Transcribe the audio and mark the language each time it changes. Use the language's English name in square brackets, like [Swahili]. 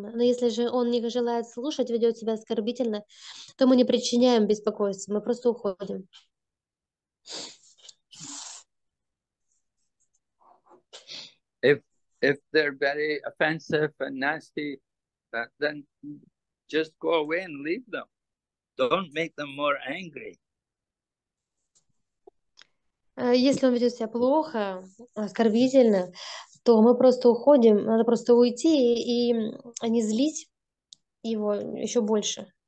[Russian] Но если же он не желает слушать, ведет себя оскорбительно, то мы не причиняем беспокойства, мы просто уходим. [English] If they're very offensive and nasty, then just go away and leave them. Don't make them more angry. [Russian] Если он ведет себя плохо, оскорбительно, то мы просто уходим. Надо просто уйти и не злить его еще больше.